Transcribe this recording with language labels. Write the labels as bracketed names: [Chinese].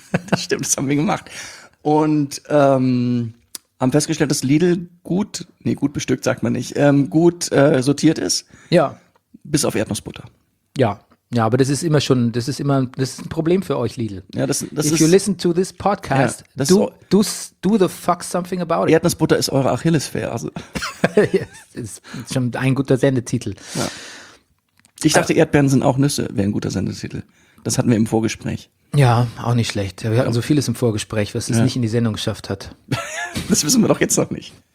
[German] Das stimmt, das haben wir gemacht. Und haben festgestellt, dass Lidl gut bestückt, sagt man nicht, gut sortiert ist. Ja. Bis auf Erdnussbutter. Ja, aber das ist ein Problem für euch, Lidl. Ja, das [English] If [German] ist, [English] you listen to this podcast, [German] ja, [English] do the fuck something about it. [German] Erdnussbutter ist eure Achillesferse. Also. Das ist schon ein guter Sendetitel. Ja. Ich dachte, Erdbeeren sind auch Nüsse, wäre ein guter Sendetitel. Das hatten wir im Vorgespräch. Ja, auch nicht schlecht. Wir hatten so vieles im Vorgespräch, was es nicht in die Sendung geschafft hat. Das wissen wir doch jetzt noch nicht.